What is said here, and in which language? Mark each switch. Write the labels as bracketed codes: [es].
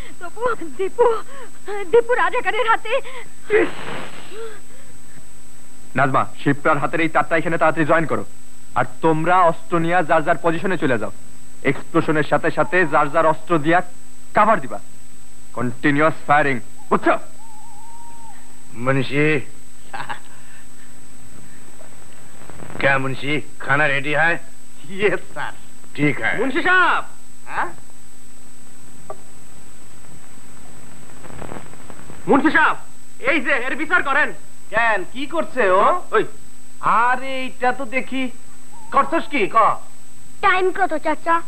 [bn] টপু দীপু দীপু রাজাকারের হাতে নাজমা শিপ্রার হাতের এই চারটা এখানে তাড়াতাড়ি জয়েন করো আর তোমরা অস্ত্র নিয়ে যার যার পজিশনে চলে যাও এক্সপ্লোশনের সাথে সাথে যার যার অস্ত্র দিয়া কভার দিবা কন্টিনিউয়াস ফায়ারিং বুঝছো [hi] মনীষী क्या मुंशी खाना रेडी है [en] yes sir [hi] ठीक है मुंशी साहब मुंशी साहब [bn] এই যে এর বিচার করেন কেন কি করছে ও ওই আরে এটা তো দেখি করছস কি ক টাইম কত চাচা